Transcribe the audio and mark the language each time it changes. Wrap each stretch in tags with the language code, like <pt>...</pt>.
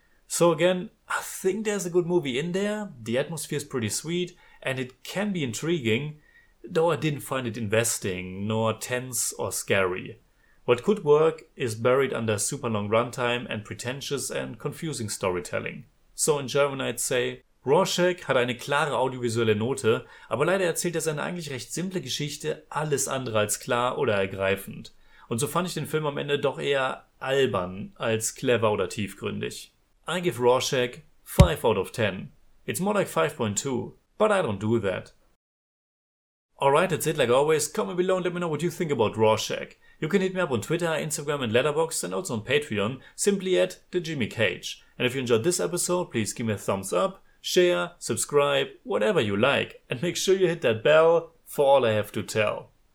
<en>So again, I think there's a good movie in there, the atmosphere is pretty sweet, and it can be intriguing, though I didn't find it investing, nor tense or scary. What could work is buried under super long runtime and pretentious and confusing storytelling. So in German I'd say,</en> <de>Rorschach hat eine klare audiovisuelle Note, aber leider erzählt er seine eigentlich recht simple Geschichte alles andere als klar oder ergreifend. Und so fand ich den Film am Ende doch eher albern als clever oder tiefgründig.</de> <en>I give Rorschach 5 out of 10. It's more like 5.2, but I don't do that. Alright, that's it. Like always, comment below and let me know what you think about Rorschach. You can hit me up on Twitter, Instagram and Letterboxd and also on Patreon, simply at TheJimmyCage. And if you enjoyed this episode, please give me a thumbs up, share, subscribe, whatever you like, and make sure you hit that bell for all I have to tell.</en>